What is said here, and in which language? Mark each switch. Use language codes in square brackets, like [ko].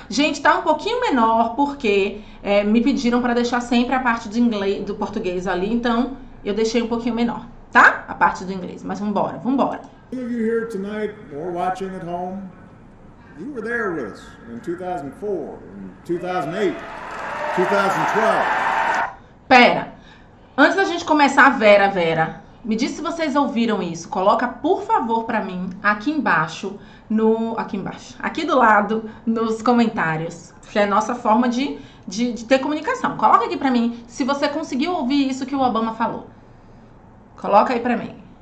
[pt] Gente, tá um pouquinho menor porque me pediram para deixar sempre a parte de inglês, do português ali. Então, eu deixei um pouquinho menor. Tá? A parte do inglês, mas vambora, vambora. [en] Some of you here tonight or watching at home, you were there with us in 2004, in 2008, 2012. [pt] Pera, antes da gente começar, Vera, Vera, me diz se vocês ouviram isso. Coloca, por favor, para mim aqui embaixo, no. Aqui embaixo, aqui do lado, nos comentários. Que é a nossa forma de ter comunicação. Coloca aqui para mim se você conseguiu ouvir isso que o Obama falou. Coloca aí pra mim.